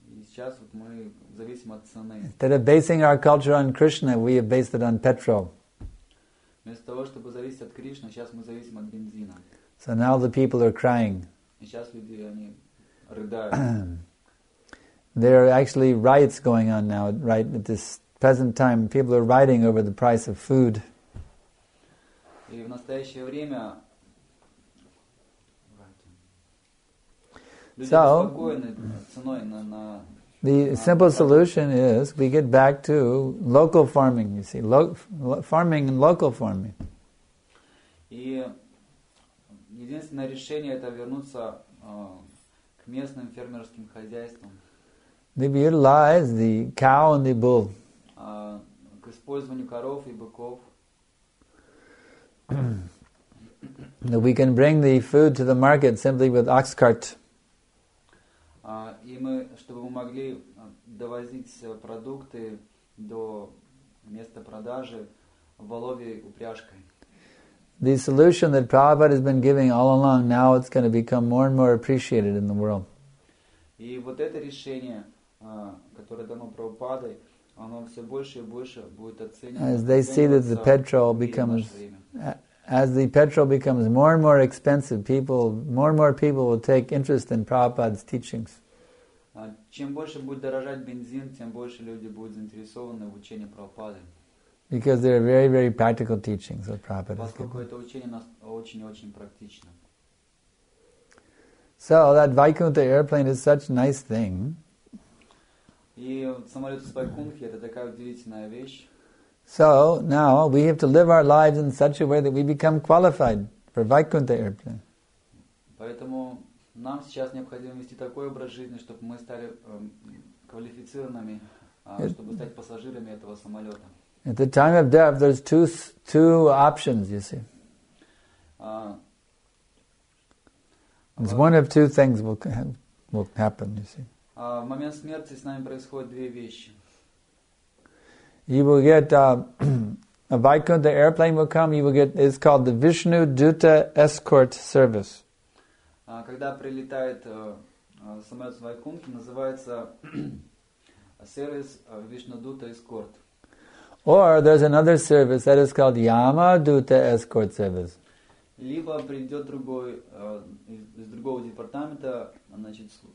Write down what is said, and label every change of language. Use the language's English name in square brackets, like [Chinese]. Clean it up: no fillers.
[Russian] Сейчас вот мы зависим от цены. [English] Instead of basing our culture on Krishna, we have based it on petrol. [Russian] Вместо того, чтобы зависеть от Кришны, сейчас мы зависим от бензина. [English] So now the people are crying. [Russian] И сейчас люди, они рыдают. [English] There are actually riots going on now, right at this present time. People are rioting over the price of food. [Russian] И в настоящее время... [English] So, the simple solution is we get back to local farming, you see, farming and local farming. [Russian] И единственное решение это вернуться к местным фермерским хозяйствам. [English] Maybe utilize the cow and the bull. [Russian] К использованию коров и быков. [English] That we can bring the food to the market simply with ox cart. [Russian] И мы, чтобы мы могли довозить продукты до места продажи воловьей упряжкой. [English] The solution that Prabhupada has been giving all along, now it's going to become more and more appreciated in the world. [Russian] И вот это решение, которое дано Прабхупадой, оно все больше и больше будет оценено. [English] As they see that the petrol becomes, as the petrol becomes more and more expensive, more and more people will take interest in Prabhupada's teachings. [Russian] Чем больше будет дорожать бензин, тем больше люди будут заинтересованы в учении Прабхупады. [English] Because they are very, very practical teachings of Prabhupada. [Russian] Поскольку это учение очень-очень практично. [English] So that Vaikuntha airplane is such a nice thing. [Russian] И самолет с Вайкунтхи это такая удивительная вещь. [English] So now we have to live our lives in such a way that we become qualified for Vaikuntha airplane. [Russian] Поэтому нам сейчас необходимо вести такой образ жизни, чтобы мы стали квалифицированными, чтобы стать пассажирами этого самолета. [English] At the time of death, there's two options, you see. It's one of two things will happen, you see. [Russian] В момент смерти с нами происходят две вещи. [English] You will get a Vaikuntha airplane will come. You will get, it's called the Vishnu Duta Escort Service. [Russian] Когда прилетает самолет с Вайкунтхи, называется сервис Вишну Дута Эскорт. [English] Or there's another service that is called Yama Duta Escort Service. [Russian] Либо придет другой из другого департамента, значит,